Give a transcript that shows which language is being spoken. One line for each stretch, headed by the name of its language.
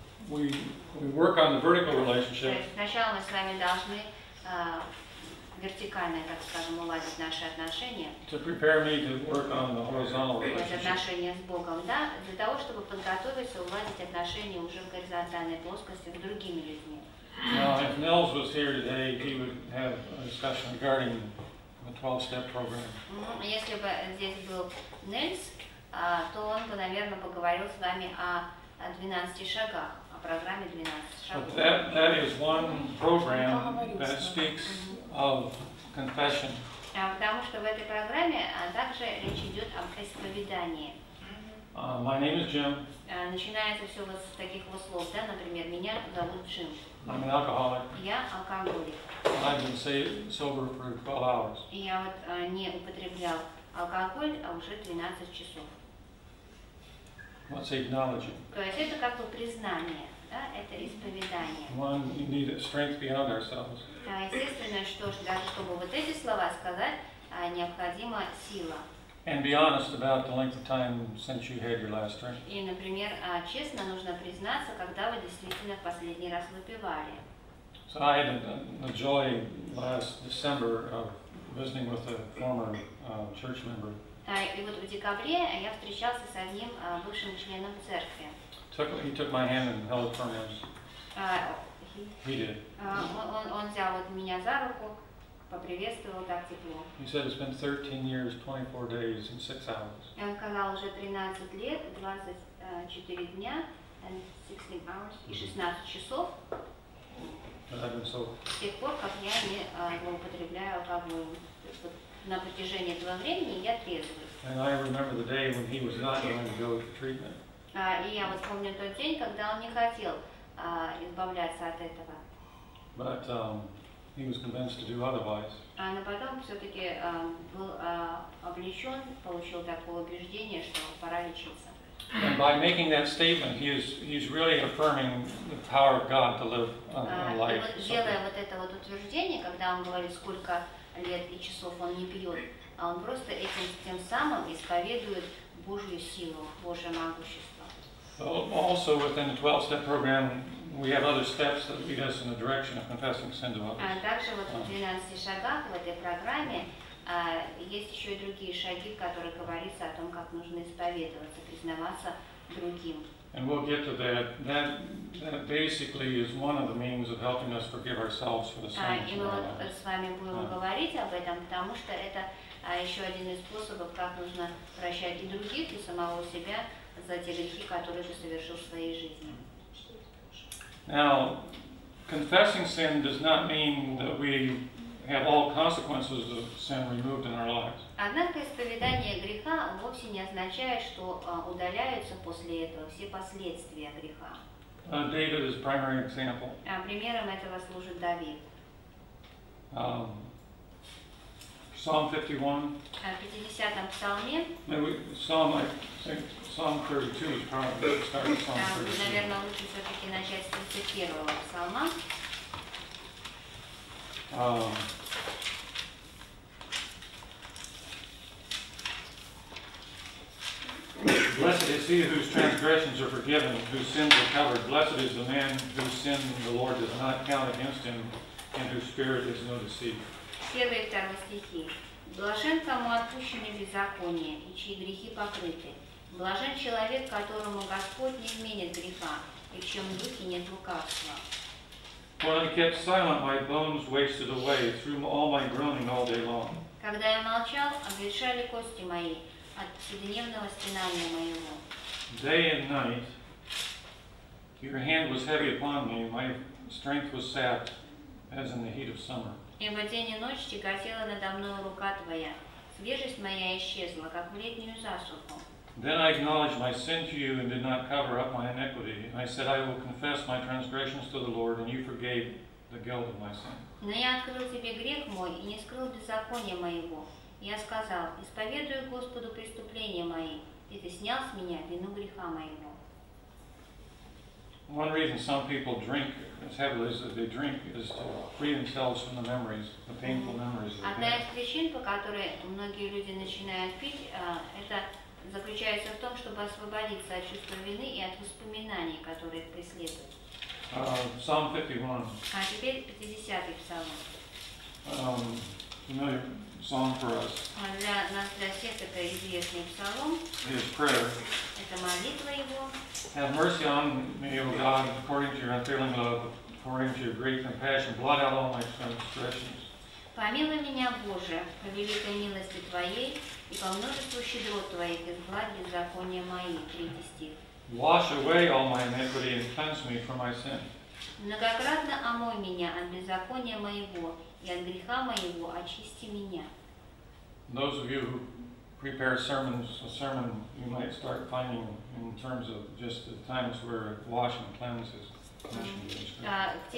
English: We work on the vertical relationship.
Russian: Сначала мы с вами должны вертикально, так скажем, уладить наши отношения.
English: To prepare me to work on the horizontal relationship.
Russian: Отношения с Богом, да, для того, чтобы подготовиться уладить отношения уже в горизонтальной плоскости с другими людьми.
English: Now, if Nels was here today, he would have a discussion regarding the 12-step program.
Russian: Если бы здесь был Нельс, то он бы, наверное, поговорил с вами о 12 шагах.
English: But that is one program that speaks of confession.
Russian: Потому что в этой программе также речь идет об исповедании.
English: My name is Jim.
Russian: Начинается все вот с таких вот слов, да? Например, меня зовут Джим.
English: I'm an alcoholic.
Russian: Я алкоголик.
English: I've been sober for 12 hours.
Russian: Я вот не употреблял алкоголь, а уже 12 часов.
English: What's acknowledging?
Russian: То есть это как бы признание, да? Это исповедание.
English: One, you need strength beyond ourselves.
Russian: Да, естественно, что ж, даже чтобы вот эти слова сказать, необходима сила.
English: And be honest about the length of time since you had your last drink.
Russian: И, например, честно нужно признаться, когда вы действительно в последний раз выпивали.
English: So I had the joy last December of visiting with a former church member.
Russian: И вот в декабре я встречался с одним бывшим членом церкви.
English: He took my hand and held it for me. He did.
Russian: Он взял вот меня за руку, поприветствовал так тепло.
English: He said it's been 13 years, 24 days and 6 hours.
Russian: И он сказал, уже 13 лет, 24 дня
English: and 16 hours,
Russian: и 16 часов.
English: But I've been so...
Russian: С тех пор, как я не употребляю алкоголь. На протяжении этого времени я трезвый. И я вот помню тот день, когда он не хотел избавляться от этого.
English: But, he was convinced to do otherwise.
Russian: Но потом все-таки был облечен, получил такое убеждение, что пора лечиться.
English: And by making that statement, he's really affirming the power of God to live a life.
Russian: Делая вот это вот утверждение, когда он говорит, сколько лет и часов он не пьет, а он просто этим тем самым исповедует Божью силу, Божье могущество.
English: So also within the 12-step program, we have other steps that lead us in the direction of confessing sin to others.
Russian: А также вот в 12 шагах в этой программе. Есть еще и другие шаги, в которых говорится о том, как нужно исповедоваться, признаваться другим.
English: And we'll get to that. That basically is one of the means of helping us forgive ourselves for the sins.
Russian: И мы вот с вами будем говорить об этом, потому что это еще один из способов, как нужно прощать и других, и самого себя за те грехи, которые ты совершил в своей жизни.
English: Now, confessing sin does not mean that we have all consequences of sin removed in our lives.
Russian: Однако исповедание греха вовсе не означает, что удаляются после этого все последствия греха.
English: David is a primary example.
Russian: Примером этого служит Давид.
English: Psalm 51.
Russian: В 50-м псалме.
English: Psalm 32 is probably the start of Psalm 32.
Russian: Наверное, лучше все-таки начать с 31-го псалма.
English: Blessed is he whose transgressions are forgiven, whose sins are covered. Blessed is the man whose sin the Lord does not count against him, and whose spirit is no deceit.
Russian: Первые и вторые стихи. Блажен, кому отпущены беззакония, и чьи грехи покрыты. Блажен человек, которому Господь не изменит греха, и в чьем духе нет лукавства.
English: When I kept silent, my bones wasted away through all my groaning all day long.
Russian: Когда я молчал, обветшали кости мои от вседневного стенания моего.
English: Day and night, your hand was heavy upon me, my strength was sapped as in the heat of summer.
Russian: Ибо день и ночь тяготела надо мной рука твоя, свежесть моя исчезла, как в летнюю засуху.
English: Then I acknowledged my sin to you and did not cover up my iniquity. I said, I will confess my transgressions to the Lord, and you forgave the guilt of my sin.
Russian: Но я открыл тебе грех мой и не скрыл беззаконие моего. Я сказал: исповедую Господу преступления мои, и ты снял с меня вину греха моего.
English: One reason some people drink as heavily as they drink is to free themselves from the memories, the painful memories.
Russian: Одна из причин, по которой многие люди начинают пить, это заключается в том, чтобы освободиться от чувства вины и от воспоминаний, которые преследуют.
English: Psalm 51.
Russian: А теперь 50-й псалом.
English: Familiar song for us.
Russian: Для нас, для всех, это известный псалом.
English: His prayer.
Russian: Это молитва его.
English: Have mercy on me, O God, according to your unfailing love, according to your great compassion, blot out all my transgressions.
Russian: Помилуй меня, Боже, по великой милости Твоей и по множеству щедрот Твоих, изгладь беззаконие мои. 3 стих.
English: Wash away all my iniquity and cleanse me from my sin.
Russian: Многократно омой меня от беззакония моего и от греха моего, очисти меня.
English: Those of you who prepare sermons, a sermon you might start finding in terms of just the times where wash and cleanse is mentioned.